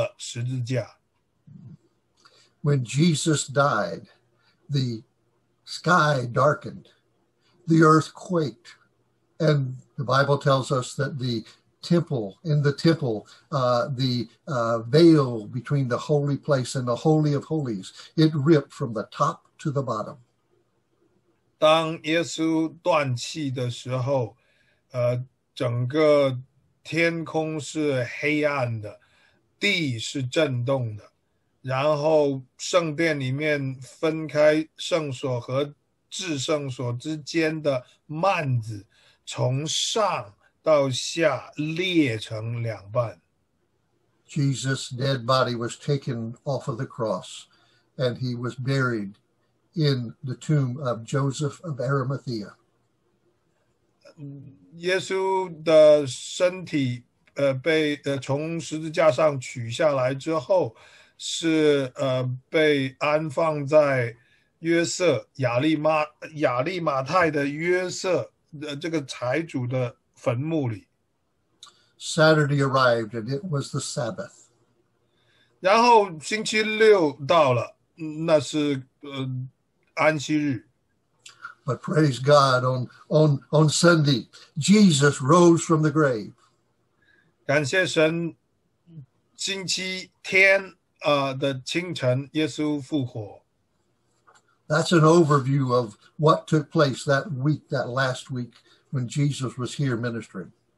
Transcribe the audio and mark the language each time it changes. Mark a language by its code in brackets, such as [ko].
[zh] 罗马的士兵鞭打了耶稣，羞辱他，然后把他带到加略山，然后就在那里把他与另外两个犯人，强盗，一起钉了十字架。 [en] When Jesus died, the sky darkened. The earth quaked, and the Bible tells us that the temple, the veil between the holy place and the holy of holies, it ripped from the top to the bottom. [zh] 当耶稣断气的时候，整个天空是黑暗的，地是震动的，然后圣殿里面分开圣所和至圣所之间的幔子从上到下裂成两半。 [en] Jesus' dead body was taken off of the cross, and he was buried in the tomb of Joseph of Arimathea. [zh] 耶稣的身体被从十字架上取下来之后，是被安放在约瑟亚利马太的约瑟这个财主的坟墓里。 [en] Saturday arrived and it was the Sabbath. [zh] 然后星期六到了，那是安息日。 [en] But praise God, on Sunday, Jesus rose from the grave. [zh] 感谢神，星期天的清晨，耶稣复活。 [en] That's an overview of what took place that week, that last week when Jesus was here ministering.